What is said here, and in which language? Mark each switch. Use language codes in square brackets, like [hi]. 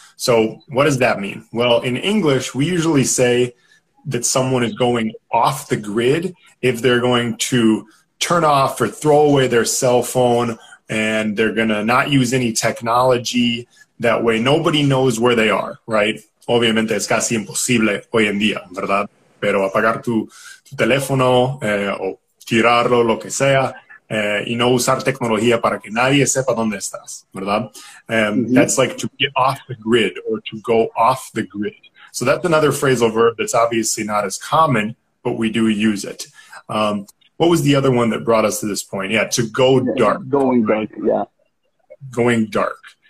[en] So what does that mean? Well, in English, we usually say that someone is going off the grid if they're going to turn off or throw away their cell phone and they're going to not use any technology. That way, nobody knows where they are, right? [es] Obviamente, es casi imposible hoy en día, ¿verdad? Pero apagar tu teléfono o tirarlo, lo que sea, y no usar tecnología para que nadie sepa dónde estás, ¿verdad? [en] That's like to get off the grid or to go off the grid. So that's another phrasal verb that's obviously not as common, but we do use it. What was the other one that brought us to this point? Yeah, to go dark. Going dark, yeah. Going dark.